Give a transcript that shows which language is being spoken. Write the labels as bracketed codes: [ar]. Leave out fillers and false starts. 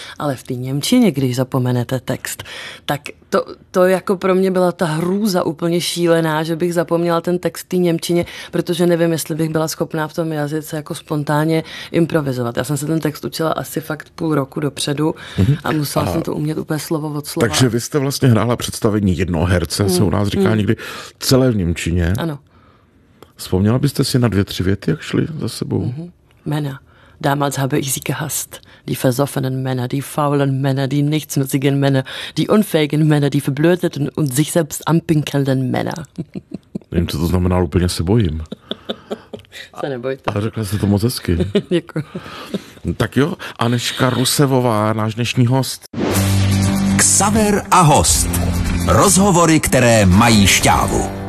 [cs] Ale v té němčině, když zapomenete text, tak to jako pro mě byla ta hrůza úplně šílená, že bych zapomněla ten text v té němčině, protože nevím, jestli bych byla schopná v tom jazyce jako spontánně improvizovat. Já jsem se ten text učila asi fakt půl roku dopředu a musela jsem to umět úplně slovo od slova. Takže vy jste vlastně hrála představení jednoho herce, se u nás říká někdy, celé v němčině. Ano. Vzpomněla byste si na 2-3 věty, jak šly za sebou? Mena. [de] Damals habe ich sie gehasst. Die versoffenen Männer, die faulen Männer, die nichtsnutzigen Männer, die unfähigen Männer, die verblödeten und sich selbst anpinkelnden Männer. [cs] Nevím, co to znamená, úplně se bojím. Se nebojte. A řekla jste to moc hezky. Děkuji. Tak jo, Aneška Rusevová, náš dnešní host. Ksaver a host. Rozhovory, které mají šťávu.